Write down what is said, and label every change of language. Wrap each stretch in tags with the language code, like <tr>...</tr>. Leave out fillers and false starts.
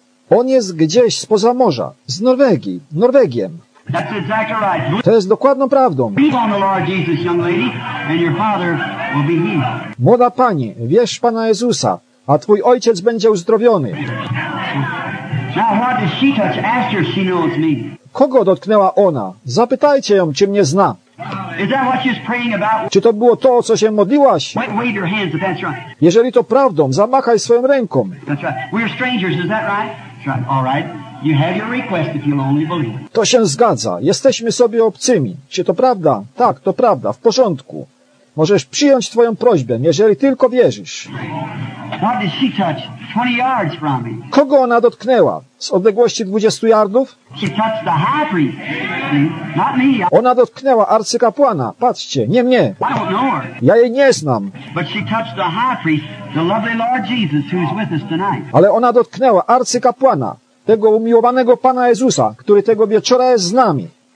<pl>On jest gdzieś spoza morza, z Norwegii, Norwegiem.</pl> <en>That's exactly right.</en> <pl>To jest dokładną prawdą.</pl> <en>Believe on the Lord Jesus, young lady, and your father will be healed.</en> <pl>Młoda pani, wierz Pana Jezusa, a twój ojciec będzie uzdrowiony.</pl> <en>Now, what does she touch? Ask her if she knows me.</en> <pl>Kogo dotknęła ona? Zapytajcie ją, czy mnie zna.</pl> <en>Is that what she's praying about?</en> <pl>Czy to było to, o co się modliłaś?</pl> <en>Wave your hands if that's right.</en> <pl>Jeżeli to prawdą, zamachaj swoją ręką.</pl> <en>That's right. We're strangers, is that right? That's right. All right. You have your request if you'll only believe.</en> <pl>To się zgadza. Jesteśmy sobie obcymi. Czy to prawda? Tak, to prawda. W porządku. możesz przyjąć twoją prośbę, jeżeli tylko wierzysz.</pl> <en>What did she touch? 20 yards from me.</en> <pl>Kogo ona dotknęła? Z odległości 20 yardów?</pl> <en>She touched the high priest. Not me.</en> <pl>Ona dotknęła arcykapłana. Patrzcie, nie mnie.</pl> <en>I don't know her.</en> <pl>Ja jej nie znam.</pl> <en>But she touched the high priest, the lovely Lord Jesus, who is with us tonight.</en> <pl>Ale ona dotknęła arcykapłana, tego umiłowanego Pana Jezusa, który tego wieczora jest z nami.</pl>